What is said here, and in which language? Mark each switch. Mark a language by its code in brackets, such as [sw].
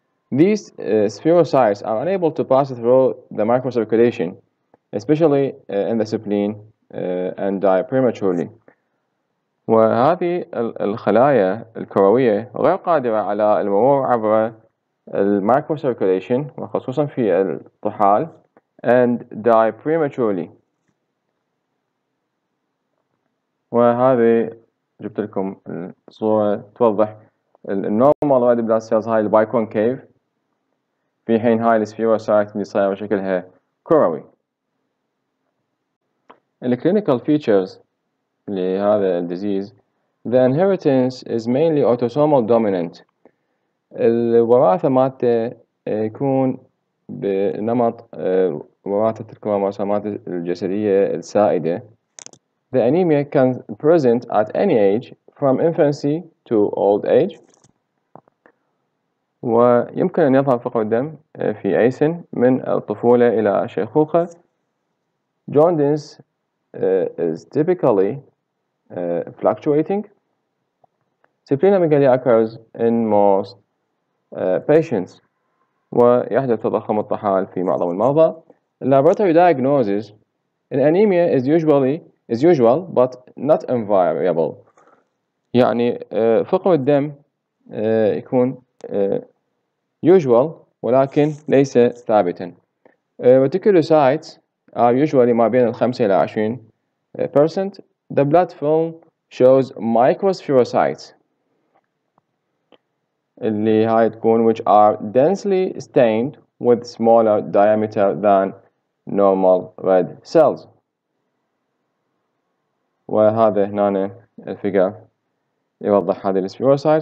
[en] These spherocytes are unable to pass through the microcirculation, especially in the spleen, and die prematurely. [ar] وهذه الخلايا الكروية غير قادرة على المرور عبر الميكروسيركوليشن وخصوصا في الطحال [en] and die prematurely. [ar] وهذه جبت لكم الصورة توضح النورمال ريد بلاد سيلز هاي البايكونكيف في حين هاي السفيروسايت اللي صاير شكلها كروي. الكلينيكال فيتشرز لهذا الديزيز: [en] The inheritance is mainly autosomal dominant. [ar] الوراثة مالته يكون بنمط وراثة الكروموسومات الجسدية السائدة. [en] The anemia can present at any age from infancy to old age. [ar] ويمكن أن يظهر فقر الدم في أي سن من الطفولة إلى الشيخوخة. [en] Jaundice is typically fluctuating. Splenomegaly occurs in most patients. [ar] ويحدث تضخم الطحال في معظم المرضى. [en] Laboratory diagnosis: anemia is usual but not invariable. [ar] يعني فقر الدم يكون usual ولكن ليس ثابتا. [en] Reticulocytes are usually [ar] ما بين 5 إلى 20%. [en] The blood film shows microspherocytes. [ar] اللي هاي تكون [en] which are densely stained with smaller diameter than normal red cells. [ar] وهذا هنا الفيجر يوضح هذه السفيروسايت.